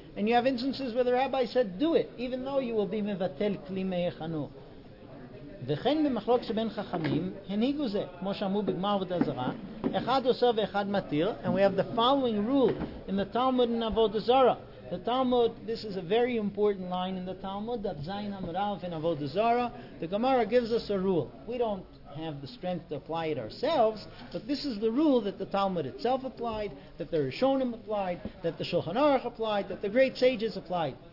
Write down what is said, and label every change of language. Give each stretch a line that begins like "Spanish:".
English: And you have instances where the rabbi said, do it, even though you will be
Hebrew: mevatel kli meichano. וכן במחלוק שבין חכמים הניגו זה כמו שאמרו בגמר עבודה זרה אחד עושה ואחד מתיר.
English: And we have the following rule in the Talmud in Avodah Zarah. The Talmud, this is a very important line in the Talmud, that Zayin Amurav in Avodah Zarah. The Gemara gives us a rule. We don't have the strength to apply it ourselves, but this is the rule that the Talmud itself applied, that the Rishonim applied, that the Shulchan Aruch applied, that the great sages applied.